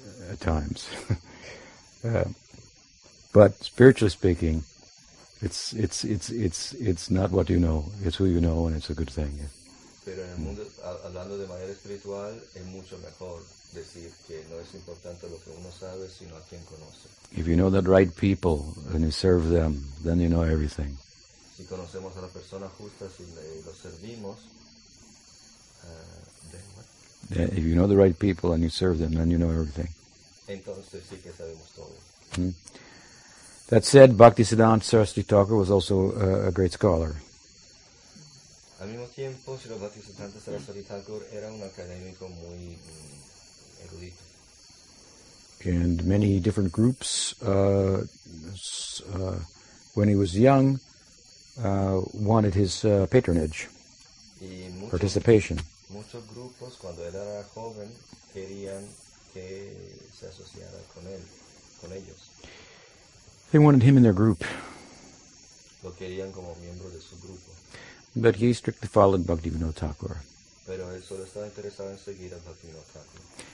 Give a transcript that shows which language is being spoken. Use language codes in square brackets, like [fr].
[en] At times. But spiritually speaking, it's not what you know, it's who you know, and it's a good thing. [es] Pero en el mundo, hablando de manera espiritual, es mucho mejor decir que no es importante lo que uno sabe, sino a quien conoce. [en] If you know the right people and you serve them, then you know everything. [es] Si conocemos a la persona justa, si lo servimos, [en] then what? If you know the right people and you serve them, then you know everything. [es] Entonces sí que sabemos todo. [en] That said, Bhaktisiddhanta Saraswati Thakura was also a great scholar. [es] Al mismo tiempo, Srila Bhaktisiddhanta Saraswati Thakura era un académico muy erudito. [en] And many different groups, when he was young, wanted his patronage, participation. [es] Muchos grupos, cuando él era joven, querían que se asociara con él, con ellos. [en] They wanted him in their group. [es] Lo querían como miembro de su grupo. [en] But he strictly followed Bhaktivinoda Thakura. [es] Pero él solo estaba interesado en seguir a Bhaktivinoda Thakura.